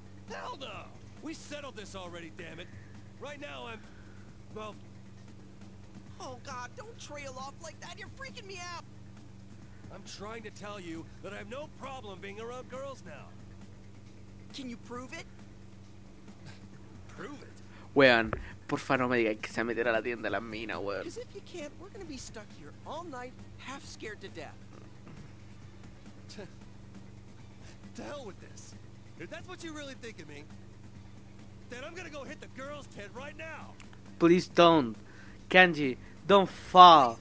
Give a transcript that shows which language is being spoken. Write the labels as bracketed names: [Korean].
[English] Hell no! We settled this already, damn it. Right now I'm... Well... Oh god, don't trail off like that, you're freaking me out! I'm trying to tell you that I have no problem being around girls now. Can you prove it? Prove it? [Spanish] Weón, porfa no me digas que se meterá a la tienda de la mina, weón. [English] Because if you can't, we're gonna be stuck here all night, half scared to death. To hell with this. If that's what you really think of me, then I'm gonna go hit the girls' tent right now. Please don't. Kanji, don't fall